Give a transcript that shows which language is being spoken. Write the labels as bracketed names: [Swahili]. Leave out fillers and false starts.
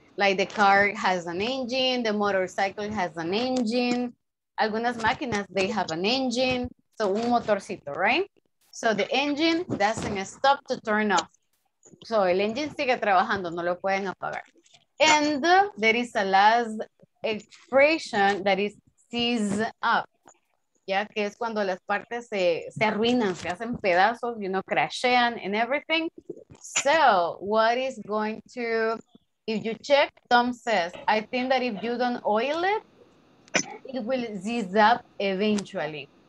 [English] Like the car has an engine, the motorcycle has an engine. [Spanish] Algunas máquinas, [English] they have an engine. So, [Spanish] un motorcito, [English] right? So, the engine doesn't stop to turn off. [Spanish] So, el engine sigue trabajando, no lo pueden apagar. [English] And there is a last expression that is seize up. [Spanish] Yeah, que es cuando las partes se arruinan, se hacen pedazos, [English] you know, [Spanish] crashean [English] and everything. So, what is going to, if you check, Tom says, I think that if you don't oil it, it will seize up eventually.